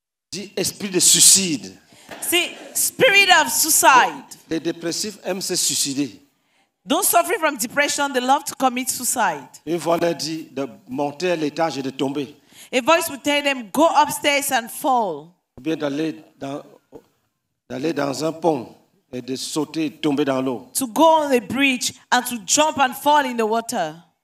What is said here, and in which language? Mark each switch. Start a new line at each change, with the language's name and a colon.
French: Dit esprit de suicide.
English: See, spirit of suicide.
French: Les dépressifs aiment se suicider.
English: Those suffering from depression, they love to commit suicide.
French: Une voix leur dit de monter à l'étage et de tomber.
English: A voice would tell them, go upstairs and fall.
French: Ou bien d'aller dans un pont et de sauter et tomber dans l'eau.
English: To go on a bridge and to jump and fall in the water.